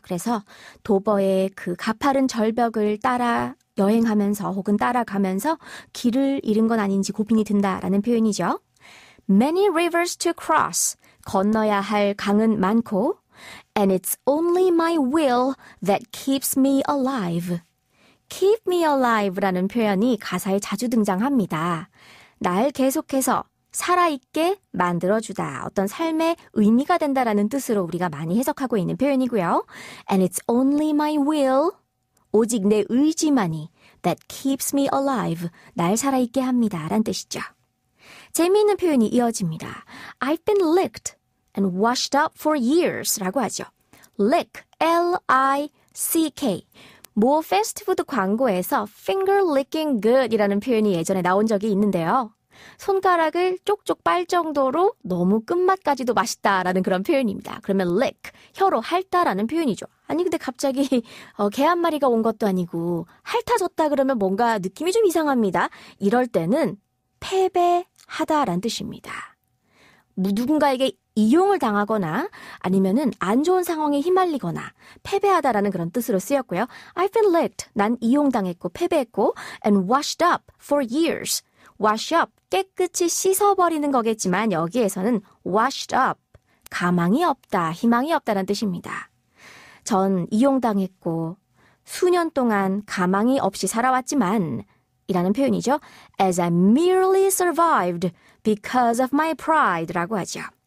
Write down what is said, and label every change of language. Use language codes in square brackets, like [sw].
[ko] 그래서 도버의 그 가파른 절벽을 따라 여행하면서 혹은 따라가면서 길을 잃은 건 아닌지 고민이 든다라는 표현이죠. [en] Many rivers to cross. [ko] 건너야 할 강은 많고. [en] And it's only my will that keeps me alive. Keep me alive [ko] 라는 표현이 가사에 자주 등장합니다. 날 계속해서 살아있게 만들어주다. 어떤 삶의 의미가 된다라는 뜻으로 우리가 많이 해석하고 있는 표현이고요. [en] And it's only my will, [ko] 오직 내 의지만이 [en] that keeps me alive, [ko] 날 살아있게 합니다. 라는 뜻이죠. 재미있는 표현이 이어집니다. [en] I've been licked and washed up for years [ko] 라고 하죠. [en] Lick, L-I-C-K. [ko] 모 패스트푸드 광고에서 [en] finger licking good [ko] 이라는 표현이 예전에 나온 적이 있는데요. 손가락을 쪽쪽 빨 정도로 너무 끝맛까지도 맛있다라는 그런 표현입니다. 그러면 lick, 혀로 핥다라는 표현이죠. 아니 근데 갑자기 개한마리가 온 것도 아니고 핥아졌다 그러면 뭔가 느낌이 좀 이상합니다. 이럴 때는 패배하다라는 뜻입니다. 누군가에게 이용을 당하거나 아니면은 안 좋은 상황에 휘말리거나 패배하다라는 그런 뜻으로 쓰였고요. [en] I've been licked, [ko] 난 이용당했고 패배했고 [en] and washed up for years. [ko] Wash up, 깨끗이 씻어버리는 거겠지만 여기에서는 [en] washed up, [ko] 가망이 없다, 희망이 없다는 뜻입니다. 전 이용당했고 수년 동안 가망이 없이 살아왔지만 이라는 표현이죠. [en] As I merely survived because of my pride [ko] 라고 하죠.